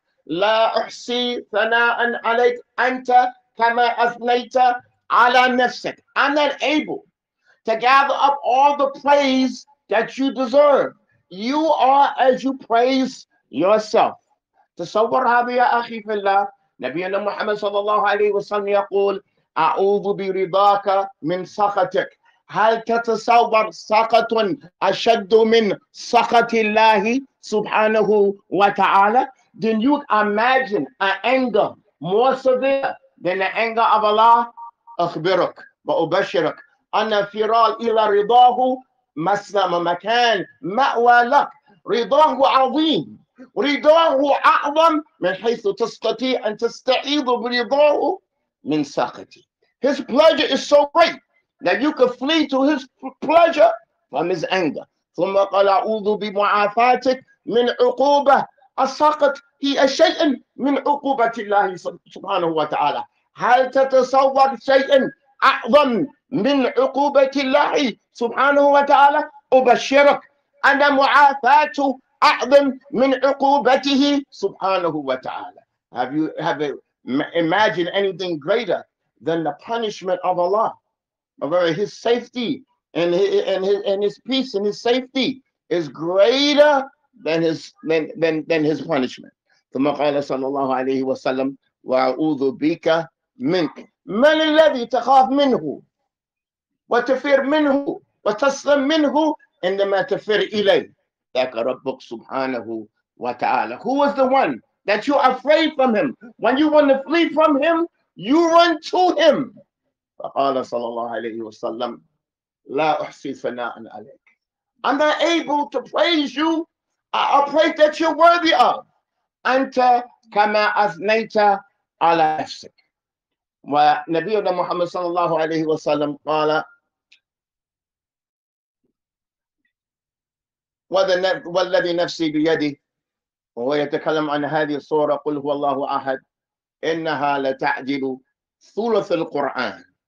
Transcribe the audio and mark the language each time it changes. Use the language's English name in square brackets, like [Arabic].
[Arabic] لا أحصي ثناء عليك. أنت كما أثنيت على نفسك. [English] I'm not able to gather up all the praise that you deserve. You are as you praise yourself. [Arabic] تصور هذا يا أخي في الله. نبينا محمد صلى الله عليه وسلم يقول أعوذ برضاك من سخطك. هل تتصور سخط أشد من سخط الله سبحانه وتعالى؟ [English] Then you imagine an anger more severe than the anger of Allah. [Arabic] أخبرك وأبشرك أن فرار إلى رضاه مسلم مكان مأوى لك. رضاه عظيم. رضاه أعظم من حيث تستطيع أن تستعيذ برضاه من سخطه. [English] His pleasure is so great that you can flee to his pleasure from his anger. [Arabic] ثم قال أعوذ بمعافاتك من عقوبة. السقط هي شيء من عقوبة الله سبحانه وتعالى. هل تتصور شيء أعظم من عقوبة الله سبحانه وتعالى؟ أبشرك أن معافاته أعظم من عقوبته سبحانه وتعالى. [English] Have imagined anything greater than the punishment of Allah? Or his safety and his peace and his safety is greater than his punishment. [Arabic] ثم قال صلى الله عليه وسلم وأعوذ بك منك. من الذي تخاف منه وتفر منه وتسلم منه عندما تفر إليه؟ ذاك ربك سبحانه وتعالى. [English] Who was the one that you are afraid from him? When you want to flee from him, you run to him. [Arabic] فقال صلى الله عليه وسلم لا أحصي ثناء عليك. [English] I'm not able to praise you. I pray that you're worthy of. [Arabic] أنت كما أثنيت على نفسك. ونبينا محمد صلى الله عليه وسلم قال والذي نفسي بيده، وهو يتكلم عن هذه الصورة، قل هو الله أحد، إنها لتعجل ثلث القرآن.